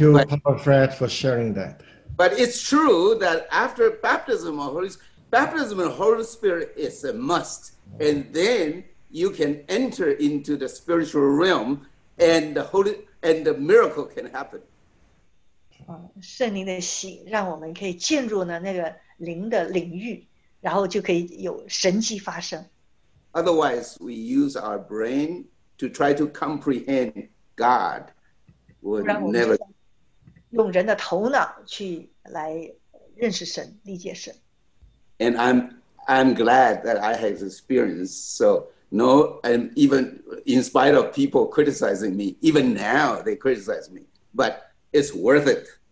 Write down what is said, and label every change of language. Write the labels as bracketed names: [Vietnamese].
[English] you, Papa Fred, for sharing that. But it's true that after baptism of Holy Spirit, baptism of the Holy Spirit is a must. And then you can enter into the spiritual realm and the Holy and the miracle can happen. [Chinese] 圣灵的洗让我们可以进入呢那个灵的领域，然后就可以有神迹发生。 [English] Otherwise, we use our brain to try to comprehend God. Would never [Chinese] 用人的头脑去来认识神，理解神。 [English] And I'm glad that I have experience. So no, and even in spite of people criticizing me, even now they criticize me, but it's worth it.